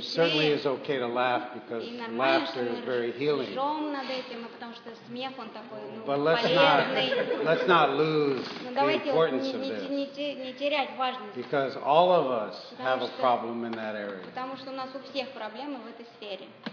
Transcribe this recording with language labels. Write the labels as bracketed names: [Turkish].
[English] Certainly is okay to laugh because laughter is very healing. [Russian] Жжем над этим, потому что смех он такой, ну, [English] but let's not lose the importance of this. [Russian] Не терять важность. [English] Because all of us have a problem in that area. [Russian] Потому что у нас у всех проблемы в этой сфере.